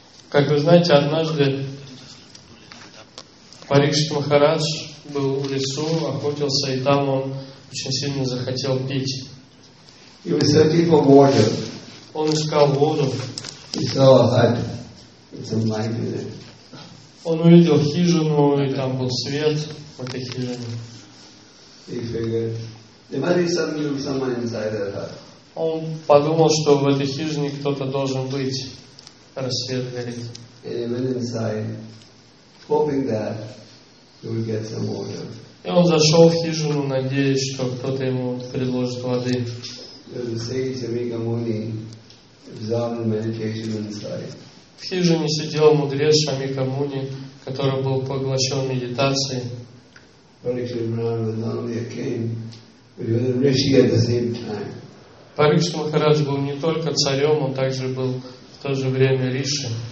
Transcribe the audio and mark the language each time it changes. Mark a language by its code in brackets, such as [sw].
[ru] Как вы знаете, однажды Парикшит Махарадж был в лесу, охотился, и там он очень сильно захотел пить. [en] He was searching for water. [ru] Он искал воду. [en] He saw a hut with some light in it. [ru] Он увидел хижину, и там был свет в этой хижине. [en] He figured there might be someone inside that hut. [ru] Он подумал, что в этой хижине кто-то должен быть. Рассвет горит. [en] And he went inside, hoping that he would get some water. [ru] И он зашел в хижину, надеясь, что кто-то ему предложит воды. В хижине сидел мудрец Шамика Муни, который был поглощен медитацией. Парикшит Махарадж был не только царем, он также был в то же время риши.